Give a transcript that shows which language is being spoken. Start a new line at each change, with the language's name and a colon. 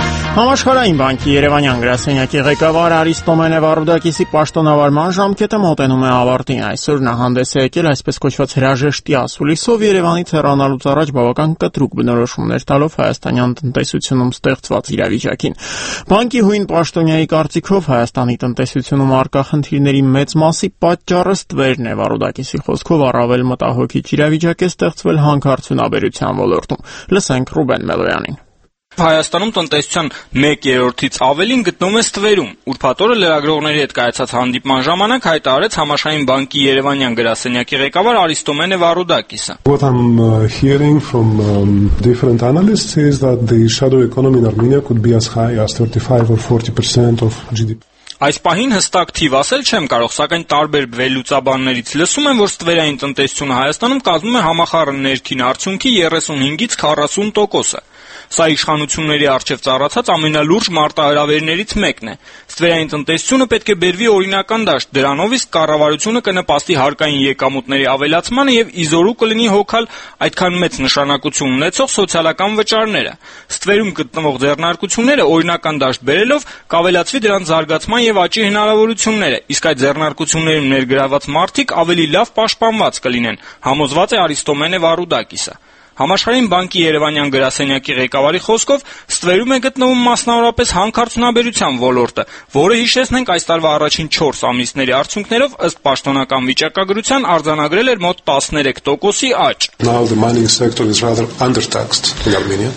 Armenian: Համաշխարհային բանկի Երևանյան գրասենյակի ղեկավար Արիստոմենե Վարուդակիսի պաշտոնավարման ժամկետը մոտենում է ավարտին։ Այսօր նա հանդես է եկել այսպես կոչված հրաժեշտի ասուլիսով, Երևանից հեռանալուց առաջ բավական կտրուկ բնորոշումներ տալով հայաստանյան տնտեսությունում ստեղծված իրավիճակին։ Բանկի հույն պաշտոնյայի կարծիքով հայաստանի տնտեսությունում առկա խնդիրների մեծ մասի պատճառը ստվերն է, Վարուդակիսի խոսքով առավել մտահոգիչ իրավիճակ է ստեղծվել հանքարդյունաբերության ոլորտում։ Լսենք Ռուբեն Մելոյանին։ Հայաստանում տնտեսության 1/3-ից ավելին գտնվում է Ստվերում։ Ուրբաթորը լրագրողների հետ կայացած հանդիպման ժամանակ հայտարարեց Համաշխարհային բանկի Երևանյան գրասենյակի ղեկավար Արիստոմենե Վարուդակիսը։
English: What I'm hearing from different analysts is that the shadow economy in Armenia could be as high as 35 or 40% of GDP.
Armenian: Այս պահին հստակ թիվ ասել չեմ կարող, սակայն տարբեր վերլուծաբաններից լսում եմ, որ Ստվերային տնտեսությունը Հայաստանում կազմում է համախառն ներքին արդյունքի 35-ից 40%-ը։ Սա իշխանությունների առջև ծառացած ամենալուրջ մարտահրավերներից մեկն է։ Ստվերային տնտեսությունը պետք է բերվի օրինական դաշտ, դրանով իսկ կառավարությունը կնպաստի հարկային եկամուտների ավելացմանը և իզորու կլինի հոգալ այդքան մեծ նշանակություն ունեցող սոցիալական վճարները։ Ստվերում գտնվող ձեռնարկությունները օրինական դաշտ բերելով կավելացվի դրան զարգացման և աճի հնարավորությունները, իսկ այդ ձեռնարկություններում ներգրաված մարդիկ ավելի լավ պաշտպանված կլինեն, համոզված է Արիստոմենե Վարուդակիսը։ Համաշխարհային բանկի Երևանյան գրասենյակի ղեկավարի խոսքով ստվերում է գտնվում մասնավորապես հանքարդյունաբերության ոլորտը, որը հիշեցնենք այս տարվա առաջին 4 ամիսների արդյունքներով ըստ պաշտոնական վիճակագրության արձանագրել էր մոտ 13%-ի աճ։
English: Now the mining sector is rather undertaxed in Armenia.